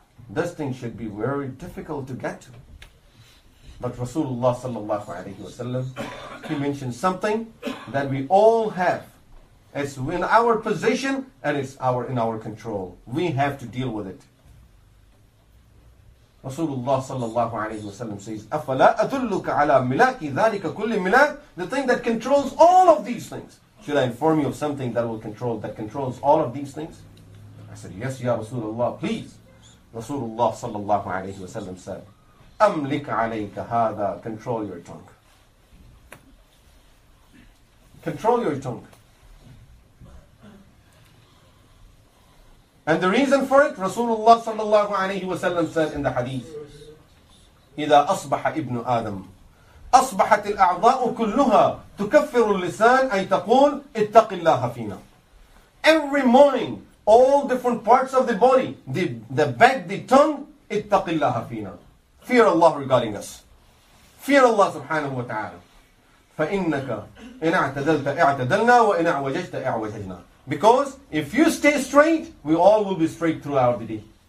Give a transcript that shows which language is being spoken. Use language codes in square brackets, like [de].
[en] This thing should be very difficult to get to. But Rasulullah sallallahu alayhi wa sallam, he mentioned something that we all have. It's in our position and it's in our control. We have to deal with it. [ar] Rasulullah sallallahu alayhi wa sallam says, أَفَلَا أَدُلُّكَ عَلَىٰ مِلَاكِ ذَلِكَ كُلِّ مِلَاكِ. [en] The thing that controls all of these things. Should I inform you of something that will control, that controls all of these things? I said, yes, ya Rasulullah, please. Rasulullah sallallahu alayhi wa sallam said, [ar] أَمْلِكَ عَلَيْكَ هَذَا. [en] Control your tongue. Control your tongue. And the reason for it, Rasulullah sallallahu alayhi wa sallam said in the hadith, [ar] إذا أصبح ابن آدم أصبحت الأعضاء كلها تكفر اللسان أي تقول اتق الله فينا. [en] Every morning, all different parts of the body, the back, the tongue, [ar] اتق الله فينا. [en] Fear Allah regarding us. Fear Allah subhanahu wa ta'ala. [ar] فَإِنَّكَ إِنْ اَعْتَدَلْتَ اَعْتَدَلْنَا وَإِنْ اَعْوَجَجْتَ اَعْوَجَجْنَا. [en] Because if you stay straight, we all will be straight throughout the day.